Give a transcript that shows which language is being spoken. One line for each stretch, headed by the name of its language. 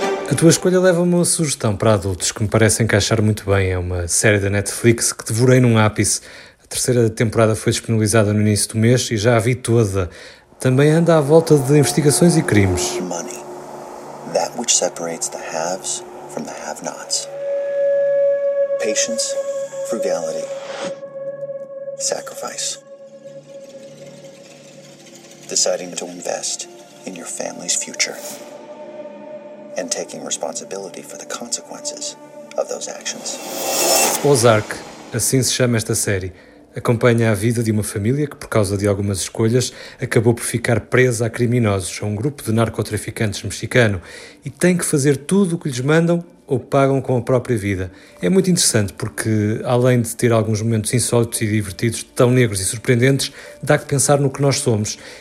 Portuguese: A tua escolha leva-me a uma sugestão para adultos que me parece encaixar muito bem. É uma série da Netflix que devorei num ápice. A terceira temporada foi disponibilizada no início do mês e já a vi toda. Também anda à volta de investigações e crimes.
English: Money. That which separates the haves from the have-nots. Patience, frugality, sacrifice. Deciding to invest in your family's future and taking responsibility for the consequences of those actions.
Portuguese: Ozark, assim se chama esta série. Acompanha a vida de uma família que, por causa de algumas escolhas, acabou por ficar presa a criminosos, a um grupo de narcotraficantes mexicano, e tem que fazer tudo o que lhes mandam ou pagam com a própria vida. É muito interessante porque, além de ter alguns momentos insólitos e divertidos tão negros e surpreendentes, dá que pensar no que nós somos.